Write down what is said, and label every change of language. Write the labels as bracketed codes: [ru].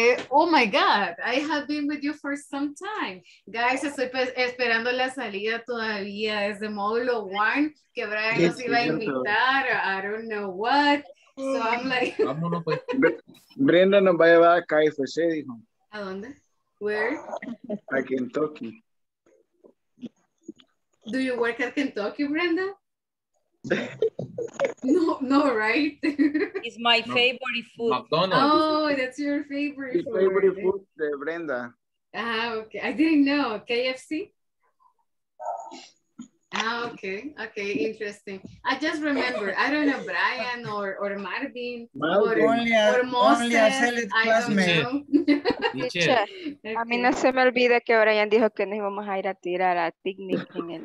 [en] Oh my God, I have been with you for some time. [es] Guys, estoy esperando la salida todavía desde módulo 1 que Brian nos iba a invitar. [en] I don't know what. So I'm like. [es] Vámonos, pues. Brenda nos va a llevar a KFC, dijo. ¿A dónde? Where? A Kentucky. [en] Do you work at Kentucky, Brenda? No, right? It's my favorite food. McDonald's. Oh, that's your favorite food. My favorite food, de Brenda. Ah, okay. I didn't know. KFC? Ah, okay. Okay, interesting. I just remember, I don't know, Brian or Marvin. Or Moses. I don't know. [es] A mí no se me olvida que Brian dijo que nos íbamos a ir a tirar a picnic en el...